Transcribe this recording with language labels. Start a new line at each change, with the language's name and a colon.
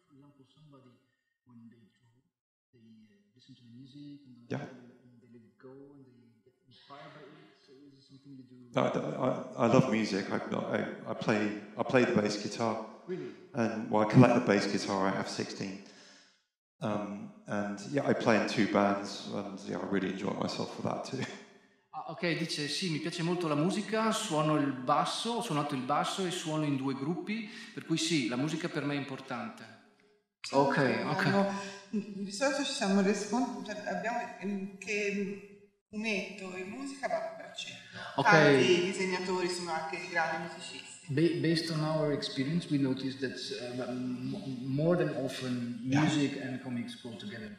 English: For example, somebody when they draw, they listen to the music and they let it go and they get inspired by it. I love music. I play the bass guitar. Really? And well, I collect the bass guitar. I have 16. I play in two bands, and yeah, I really enjoy myself with that too.
Italian: Ok, dice sì, mi piace molto la musica. Suono il basso. Ho suonato il basso e suono in due gruppi. Per cui sì, la musica per me è importante. Di solito ci siamo resi conto, cioè abbiamo che fumetto e musica va per cento.
English: Okay.
Italian: Tanti disegnatori sono anche grandi musicisti.
English: Based on our experience, we noticed that more than often music and comics go together.